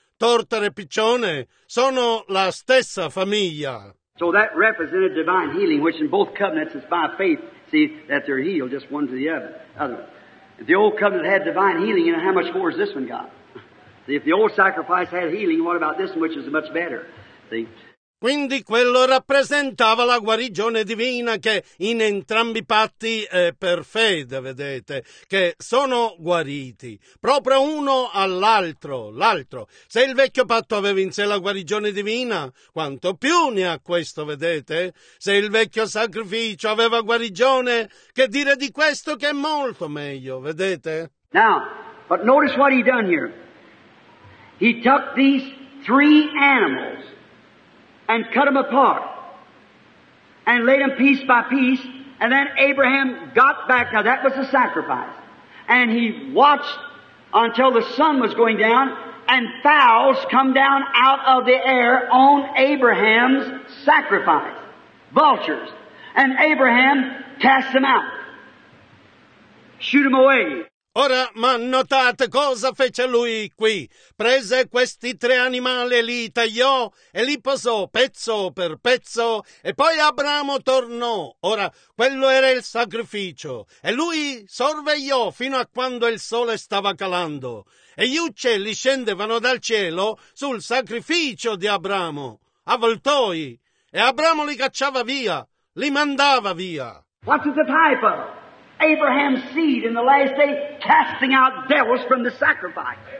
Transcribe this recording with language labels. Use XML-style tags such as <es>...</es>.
<it>Tortora e piccione sono la stessa famiglia.</it> <en>So that represented divine healing, which in both covenants is by faith, see, that they're healed, just one to the other. If the old covenant had divine healing, you know, how much more has this one got? If the old sacrifice had healing, what about this one, which is much better?</en> <it>Quindi quello rappresentava la guarigione divina che in entrambi i patti è per fede, vedete, che sono guariti, proprio uno all'altro, l'altro. Se il vecchio patto aveva in sé la guarigione divina, quanto più ne ha questo, vedete? Se il vecchio sacrificio aveva guarigione, che dire di questo che è molto meglio, vedete?</it> <en>Now, but notice what he done here. He took these three animals and cut them apart, and laid them piece by piece, and then Abraham got back. Now that was a sacrifice. And he watched until the sun was going down, and fowls come down out of the air on Abraham's sacrifice. Vultures. And Abraham cast them out. Shoot them away.</en> <it>Ora, ma notate cosa fece lui qui. Prese questi tre animali e li tagliò e li posò pezzo per pezzo e poi Abramo tornò. Ora, quello era il sacrificio e lui sorvegliò fino a quando il sole stava calando e gli uccelli scendevano dal cielo sul sacrificio di Abramo, avvoltoi, e Abramo li cacciava via, li mandava via.</it> <en>What is the type of Abraham's seed in the last day, casting out devils from the sacrifice.</en>